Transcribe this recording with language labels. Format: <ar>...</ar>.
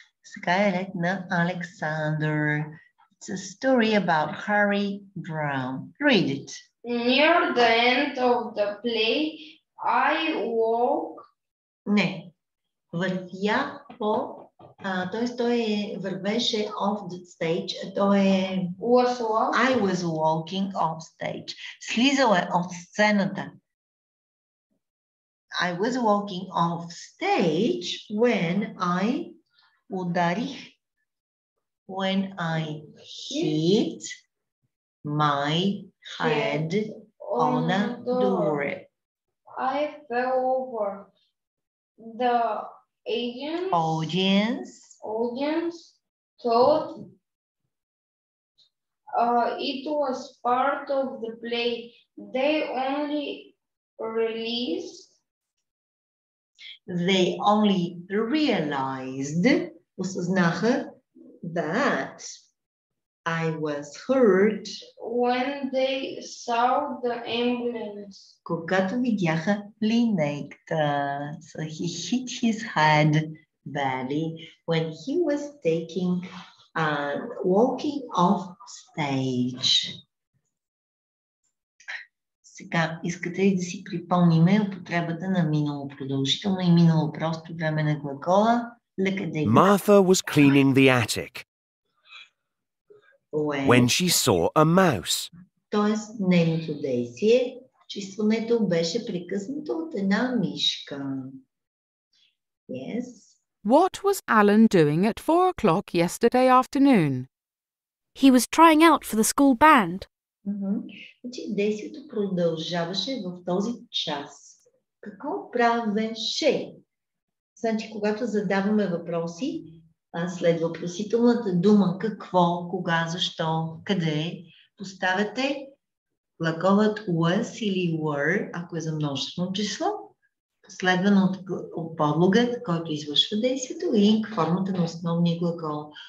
<bg>Сега е ред на Александър.</bg> <en>It's a story about Harry Brown. Read it. Near the end of the play, I walk.</en> <bg>Не. Вървя по... той вървеше</bg> <en>off the stage. Was walking. I was walking off stage.</en> <bg>Слизал е от сцената.</bg> <en>I was walking off stage when I</en> <bg>ударих,</bg> <en>when I hit my head on a door. I fell over. The audience thought it was part of the play. They only released. They only realized,</en> <bg>осъзнаха,</bg> <en>that I was hurt when they saw the ambulance.</en> <bg>Когато видяха линейката.</bg> <en>So he hit his head badly when he was taking and walking off stage.</en> <bg>Сега искате ли да си припомним употребата на минало продължително и минало просто време на глагола?</bg> <en>Martha was cleaning the attic when she saw a mouse.</en> <bg>Тоест, нейното действие, чистването беше прекъснато от една мишка.</bg> <en>Yes. What was Alan doing at 4 o'clock yesterday afternoon? He was trying out for the school band.</en> <bg>Значи действието продължаваше в този час. Какво правеше? Значи, когато задаваме въпроси, след въпросителната дума какво, кога, защо, къде, поставяте глаголът was или were, ако е за множествено число, последвано от подлогът, който извършва действието, и формата на основния глагол.</bg>